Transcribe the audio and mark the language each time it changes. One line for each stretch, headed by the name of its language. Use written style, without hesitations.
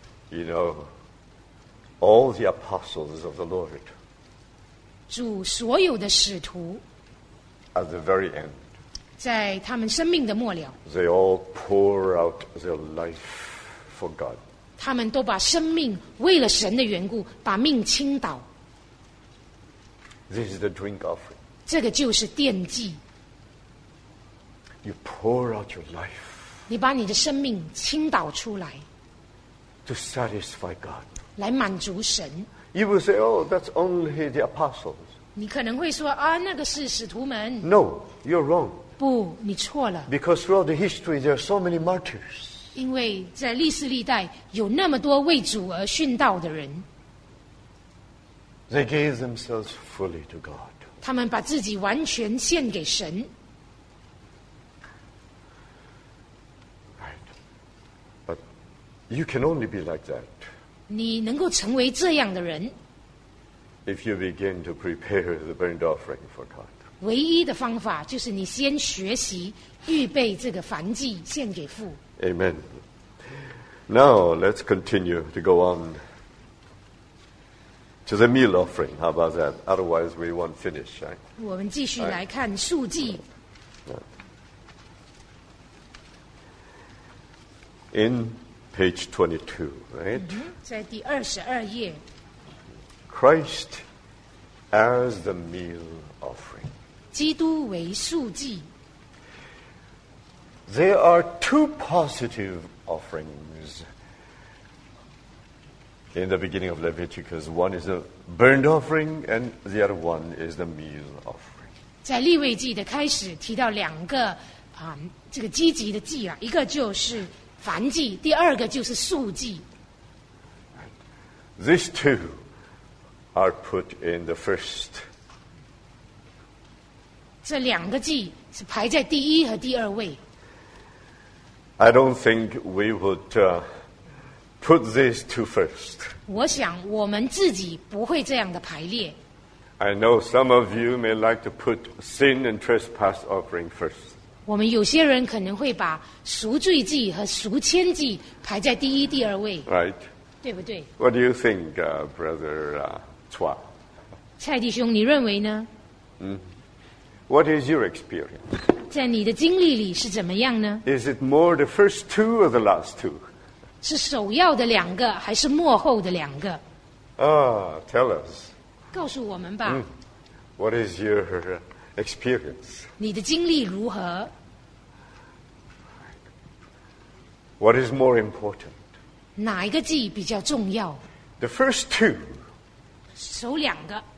English: You know, all the apostles of the Lord,
Chinese: 主所有的使徒，
English: at the very end.
Chinese: 在他们生命的末了，
English: they all pour out their life for God.
Chinese: 他们都把生命为了神的缘故把命倾倒。
English: This is the drink offering.
Chinese: 这个就是奠祭。
English: You pour out your life.
Chinese: 你把你的生命倾倒出来。
English: To satisfy God.
Chinese: 来满足神。
English: You will say, oh, that's only the apostles.
Chinese: 你可能会说啊，那个是使徒们。
English: No, you're wrong.
Chinese: 不，你错了。
English: Because throughout the history, there are so many martyrs.
Chinese: 因为在历史历代有那么多为主而殉道的人。
English: They gave themselves fully to God.
Chinese: 他们把自己完全献给神。
English: Right. But you can only be like that.
Chinese: 你能够成为这样的人。
English: If you begin to prepare the burnt offering for God.
Chinese: 唯一的方法就是你先学习预备这个燔祭献给父。
English: Amen. Now let's continue to go on to the meal offering. How about that? Otherwise, we won't finish. Right?
Chinese: 我们继续来看素祭。
English: In page 22, right?
Chinese: 在第二十二页。
English: Christ as the meal offering.
Chinese: 基督为素祭。
English: There are two positive offerings in the beginning of Leviticus. One is a burnt offering, and the other one is the meal offering.
Chinese: 在利未记的开始提到两个这个积极的祭啊，一个就是燔祭，第二个就是素祭。
English: These two are put in the first.
Chinese: 这两个祭是排在第一和第二位。
English: I don't think we would put these two first.
Chinese: 我想我们自己不会这样的排列。
English: I know some of you may like to put sin and trespass offering first.
Chinese: 我们有些人可能会把赎罪祭和赎愆祭排在第一、第二位。
English: Right.
Chinese: 对不对
English: ？What do you think, Brother Chua?
Chinese: 蔡弟兄，你认为呢？
English: What is your experience?
Chinese: 在你的经历里是怎么样呢
English: ？Is it more the first two or the last two?
Chinese: 是首要的两个还是末后的两个
English: ？Tell us.
Chinese: 告诉我们吧。
English: What is your experience?
Chinese: 你的经历如何
English: ？What is more important?
Chinese: 哪一个祭比较重要
English: ？The first two.
Chinese: 首两个。